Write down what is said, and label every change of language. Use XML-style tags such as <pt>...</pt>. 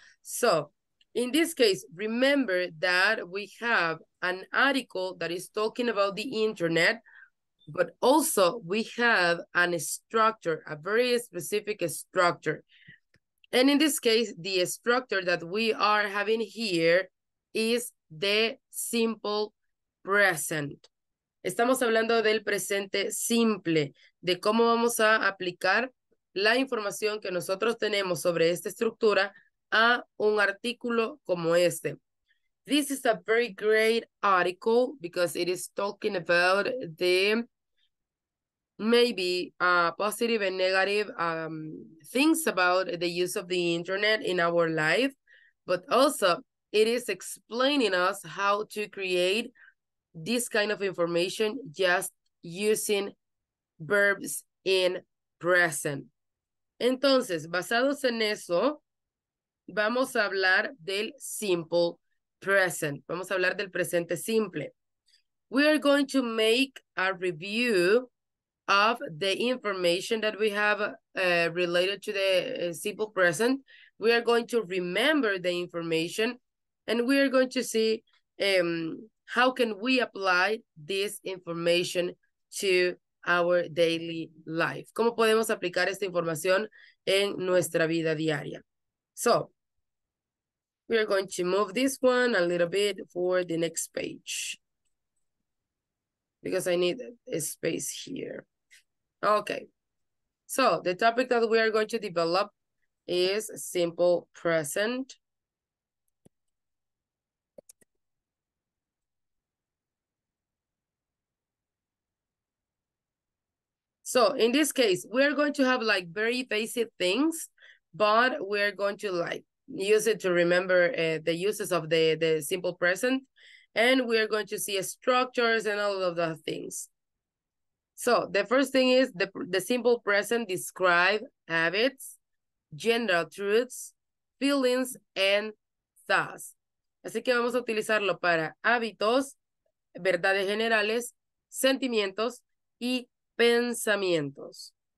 <en>So, in this case, remember that we have an article that is talking about the internet, but also we have a structure, a very specific structure. And in this case, the structure that we are having here is the simple present.</en> <es>Estamos hablando del presente simple, de cómo vamos a aplicar la información que nosotros tenemos sobre esta estructura a un artículo como este.</es> <en>This is a very great article because it is talking about the maybe positive and negative things about the use of the internet in our life, but also it is explaining us how to create this kind of information just using verbs in present.</en> <es>Entonces, basados en eso, vamos a hablar del simple present. Vamos a hablar del presente simple.</es> <en>We are going to make a review of the information that we have related to the simple present. We are going to remember the information and we are going to see how can we apply this information to our daily life.</en> <es>¿Cómo podemos aplicar esta información en nuestra vida diaria?</es> <en>So, we are going to move this one a little bit for the next page. Because I need a space here. Okay. So, the topic that we are going to develop is simple present. So, in this case, we are going to have like very basic things, but we are going to like use it to remember the uses of the simple present, and we are going to see structures and all of the things. So, the first thing is the simple present describe habits, general truths, feelings, and thoughts.</en> <es>Así que vamos a utilizarlo para hábitos, verdades generales, sentimientos, y pensamientos.</es>